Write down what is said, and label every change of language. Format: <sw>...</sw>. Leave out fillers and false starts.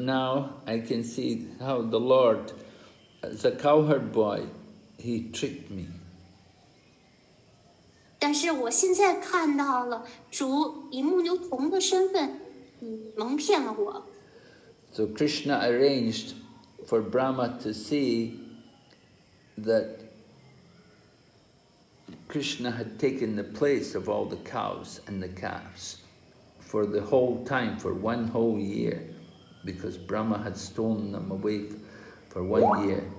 <en>now I can see how the Lord, as a cowherd boy, He tricked me.</en> <zh>但是我现在看到了主以牧牛童的身份，蒙骗了我。</zh> <en>So Krishna arranged for Brahma to see that Krishna had taken the place of all the cows and the calves for the whole time, for one whole year, because Brahma had stolen them away for 1 year.</en>